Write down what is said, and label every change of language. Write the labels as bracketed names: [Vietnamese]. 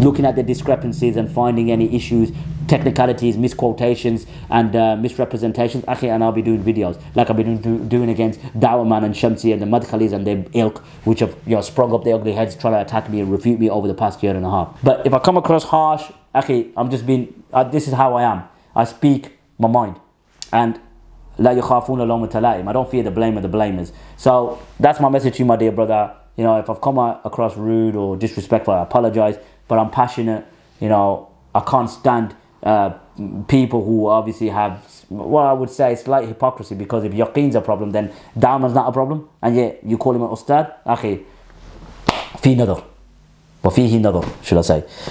[English] Looking at the discrepancies and finding any issues, technicalities, misquotations, and misrepresentations. Akhi, and I'll be doing videos like I've been doing against Dawah Man and Shamsi and the Madkhalis and their ilk, which have, you know, sprung up their ugly heads trying to attack me and refute me over the past year and a half. But if I come across harsh, akhi, I'm just being, this is how I am. I speak my mind. [Arabic] And لا يخافون لوم التلائم. [English] I don't fear the blame of the blamers. So that's my message to you, my dear brother. You know, if I've come across rude or disrespectful, I apologize. But I'm passionate, you know, I can't stand people who obviously have, well, I would say slight hypocrisy, because if yaqeen's a problem, then Dawah's not a problem, and yet you call him an ustad, akhi, [Arabic] fi nadar, wa fihi nadar, [English] should I say.